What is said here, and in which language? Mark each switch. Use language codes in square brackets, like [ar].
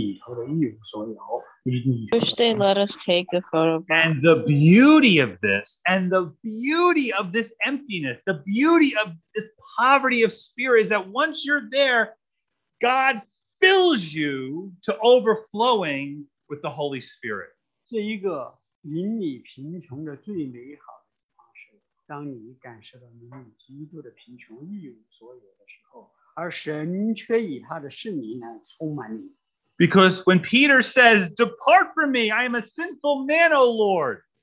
[zh] 当你看见在十字架上的耶稣的时候，你不可能不去思想你里头的一无所有，你你。 [en] Tuesday, let us take the photo. And the beauty of this, and the beauty of this emptiness, the beauty of this poverty of spirit is that once you're there, God fills you to overflowing with the Holy Spirit. [zh] 这一个引你贫穷的最美好的方式，当你感受到你基督的贫穷一无所有的时候，而神却以他的圣灵来充满你。 [en] Because when Peter says, "Depart from me, I am a sinful man, O Lord."